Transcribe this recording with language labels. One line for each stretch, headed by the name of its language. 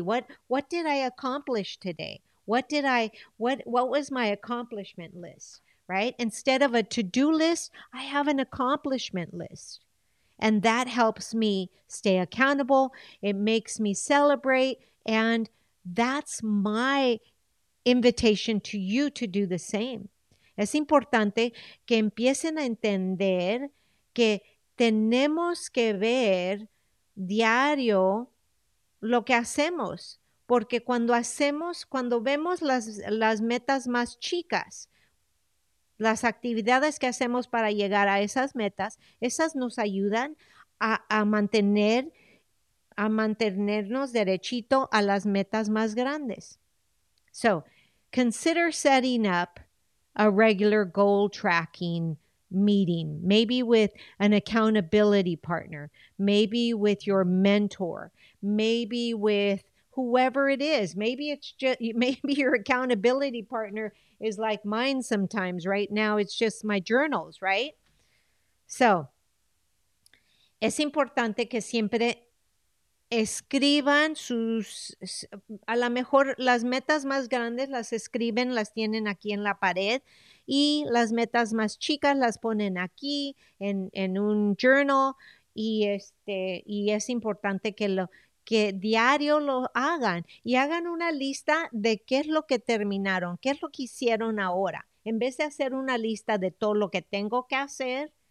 English: What did I accomplish today? What was my accomplishment list, right? Instead of a to-do list, I have an accomplishment list. And that helps me stay accountable. It makes me celebrate. And that's my invitation to you to do the same.
Spanish: Es importante que empiecen a entender que tenemos que ver diario lo que hacemos. Porque cuando vemos las metas más chicas, las actividades que hacemos para llegar a esas metas, esas nos ayudan a mantenernos derechito a las metas más grandes.
English: So, consider setting up a regular goal tracking meeting, maybe with an accountability partner, maybe with your mentor, maybe with whoever it is. Maybe it's just, maybe your accountability partner is like mine sometimes. Right now, it's just my journals, right?
Spanish: So, es importante que siempre escriban sus, a lo mejor las metas más grandes las escriben, las tienen aquí en la pared, y las metas más chicas las ponen aquí en un journal, y es importante que diario lo hagan y hagan una lista de qué es lo que terminaron, qué es lo que hicieron ahora, en vez de hacer una lista de todo lo que tengo que hacer.